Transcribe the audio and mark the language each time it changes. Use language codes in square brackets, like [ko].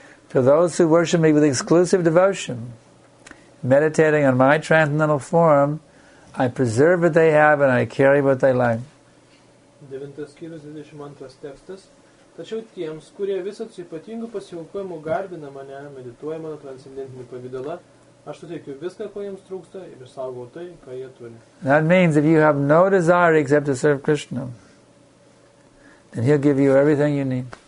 [en] To those who worship me with exclusive devotion, meditating on my transcendental form, I preserve what they have and I carry what they like. [lt] 9:22 tekstas. Tačiau tiems, kurie visą su ypatingu pasiaukojimu garbina mane, medituoja mano transcendentinį pavidalą, aš suteikiu viską, ko jiems trūksta ir saugau tai, ką jie turi. [en] That means if you have no desire except to serve Krishna, then he'll give you everything you need.